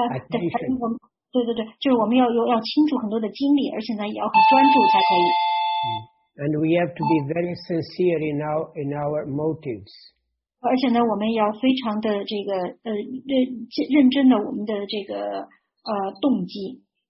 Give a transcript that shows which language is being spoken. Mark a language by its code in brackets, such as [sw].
[zh] 对，就是我们要倾注很多的精力，而且呢也要很专注才可以。 [en] And we have to be very sincere in our motives. [zh] 而且呢，我们要非常的这个认真的我们的这个动机。